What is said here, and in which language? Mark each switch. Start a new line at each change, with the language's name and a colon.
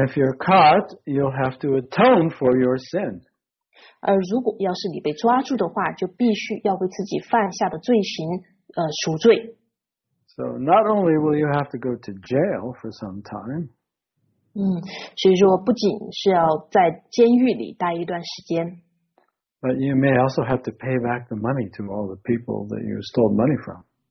English: if you're caught, you'll have to atone for your sin.
Chinese: 而如果要是你被抓住的话，就必须要为自己犯下的罪行赎罪。So
English: not only will you have to go to jail for some time.
Chinese: 所以说不仅是要在监狱里待一段时间。
English: But you may also have to pay back the money to all the people that you stole money from.